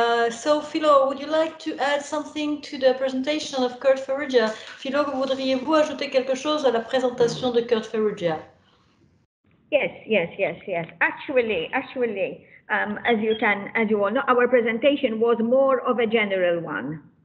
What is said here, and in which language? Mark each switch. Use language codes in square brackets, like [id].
[en] So Philo, would you like to add something to the presentation of Kurt Ferrigia? [fr] Philo, voudriez-vous ajouter quelque chose à la présentation de Kurt Ferrigia? [en] Yes. Actually. As you all know, our presentation was more of a general one.